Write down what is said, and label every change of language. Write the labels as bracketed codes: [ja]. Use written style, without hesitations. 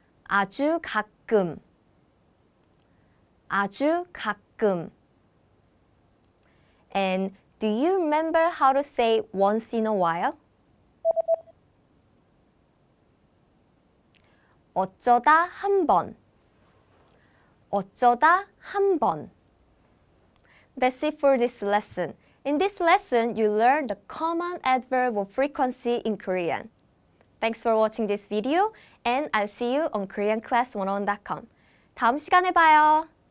[ko] 아주 가끔, 아주 가끔. [en] And do you remember how to say once in a while? [ko] 어쩌다 한 번, 어쩌다 한 번. [en] That's it for this lesson. In this lesson, you learn the common adverb of frequency in Korean. Thanks for watching this video, and I'll see you on KoreanClass101.com. [ko] 다음 시간에 봐요!